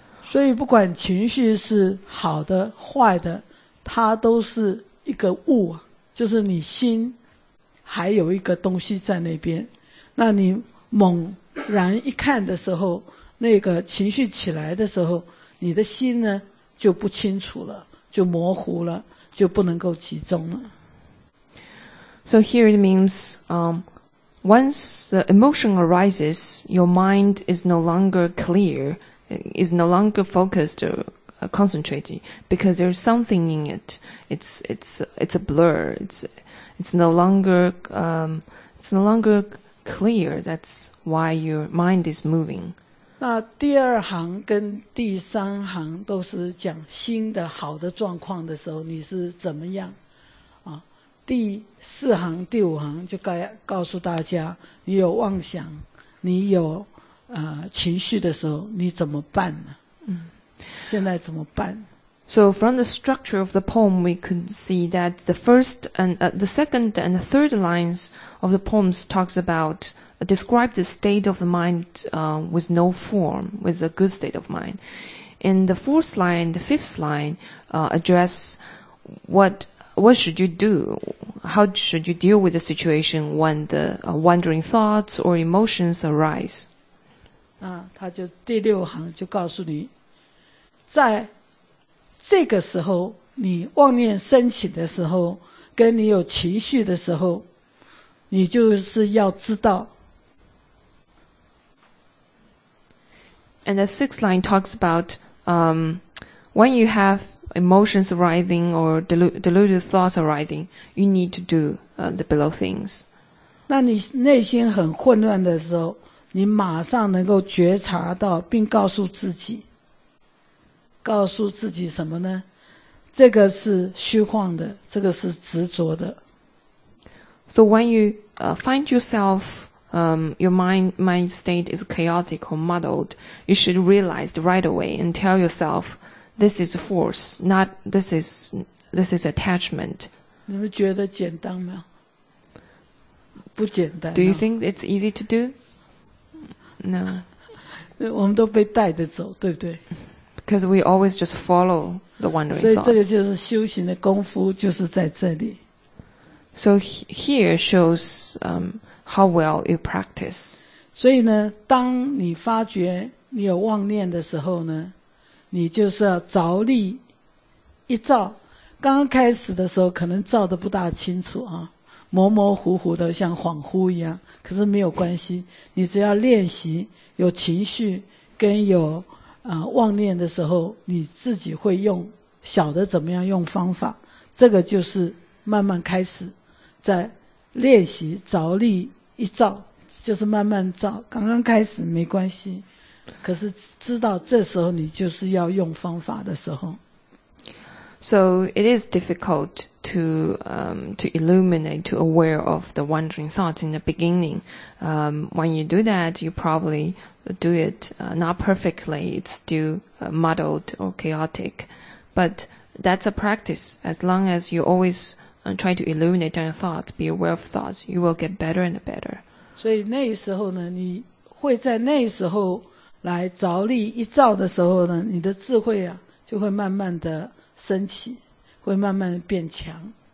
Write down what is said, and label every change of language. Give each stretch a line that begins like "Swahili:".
Chinese: 所以不管情绪是好的坏的它都是一个物，就是你心还有一个东西在那边，那你猛然一看的时候，那个情绪起来的时候，你的心呢就不清楚了，就模糊了，就不能够集中了。
English: So here it means, once the emotion arises, your mind is no longer clear, is no longer focused or concentrated, because there's something in it. It's a blur. It's no longer clear. That's why your mind is moving.
Chinese: 那第二行跟第三行都是讲新的好的状况的时候，你是怎么样？啊，第四行、第五行就告诉大家，你有妄想，你有情绪的时候，你怎么办呢？现在怎么办？
English: So from the structure of the poem, we could see that the first and the second and the third lines of the poems talks about, describe the state of the mind, with no form, with a good state of mind. And the fourth line, the fifth line, address what should you do? How should you deal with the situation when the wandering thoughts or emotions arise?
Chinese: 那他就第六行就告诉你在这个时候你妄念升起的时候跟你有情绪的时候你就是要知道。
English: And the sixth line talks about, when you have emotions arising or deluded thoughts arising, you need to do, the below things.
Chinese: 那你内心很混乱的时候你马上能够觉察到并告诉自己什么呢？这个是虚幻的，这个是执着的。
English: So when you, find yourself, your mind state is chaotic or muddled, you should realize right away and tell yourself, this is force, not this is attachment.
Chinese: 你们觉得简单吗？不简单。
English: Do you think it's easy to do? No.
Chinese: 我们都被带着走，对不对？
English: Because we always just follow the wandering thoughts.
Chinese: 所以这个就是修行的功夫，就是在这里。
English: So here shows, how well you practice.
Chinese: 所以呢，当你发觉你有妄念的时候呢，你就是要着力一照。刚刚开始的时候，可能照得不大清楚啊，模模糊糊的，像恍惚一样。可是没有关系，你只要练习有情绪跟有妄念的时候你自己会用晓得怎么样用方法，这个就是慢慢开始在练习着力一照，就是慢慢照，刚刚开始没关系，可是知道这时候你就是要用方法的时候。
English: So it is difficult to illuminate, to aware of the wandering thoughts in the beginning. When you do that, you probably do it, not perfectly, it's still, muddled or chaotic. But that's a practice. As long as you always, try to illuminate your thoughts, be aware of thoughts, you will get better and better.
Chinese: 所以那时候呢，你会在那时候来着力一照的时候呢，你的智慧啊，就会慢慢的升起，会慢慢变强。